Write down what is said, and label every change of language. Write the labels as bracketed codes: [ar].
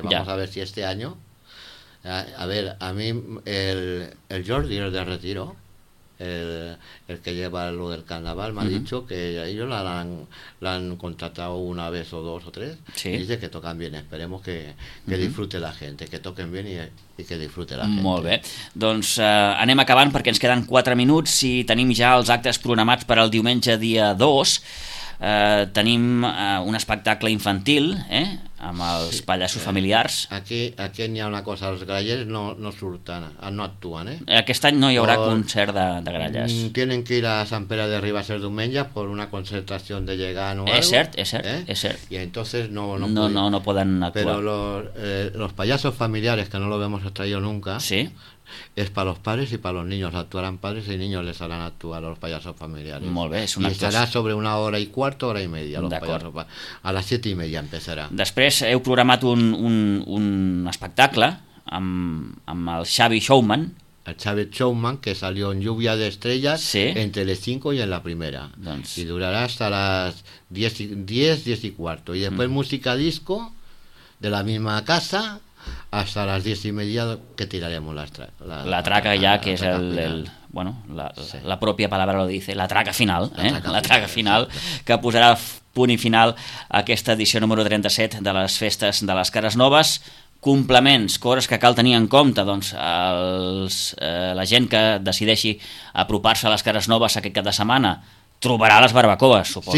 [es] Vamos ya a ver si este año. A ver, a mí el Jordi, el de retiro, el que lleva lo del carnaval, me, uh-huh, ha dicho que ellos la han contratado una vez o dos o tres. ¿Sí? Y dice que tocan bien. Esperemos que uh-huh, disfrute la gente, que toquen bien y que disfrute la gente. [ca] Molt bé. Doncs anem acabant perquè ens queden 4 minuts i tenim ja els actes programats per al diumenge dia 2. Tenim un espectacle infantil, amb els, sí, pallassos, familiars. Aquí n'hi ha una cosa, els grallers no surten, no actuen. Aquest any no hi haurà concert de gralles. [es] Tienen que ir a [ca] Sant Pere de Ribes el diumenge per una concertació de llegant o algo. És cert. I entonces no poden actuar. [es] Però los pallassos familiars, que no lo hemos traído nunca, sí, es para los padres y para los niños. Actuarán padres y niños les harán actuar a los payasos familiares. [ca] Molt bé, és un acte. [es] Y estará sobre una hora y cuarto, hora y media. A las 7:30 empezará. [ca] Després heu programat un espectacle amb el Xavi Showman. [es] El Xavi Showman, que salió en Lluvia de Estrellas, sí, en Telecinco y en La Primera. [ca] Doncs. [es] Y durará hasta las 10:15. Y después música disco de la misma casa hasta las 10:30, que tiraremos la traca ja, que la és el bueno, sí, [ca] la pròpia paraula [es] lo dice, la traca final, la traca final [ca] que posarà punt i final a aquesta edició número 37 de les Festes de les Cares Noves. Complements, coses que cal tenir en compte, doncs la gent que decideixi apropar-se a les Cares Noves aquest cap de setmana trobarà les barbacoes, suposo,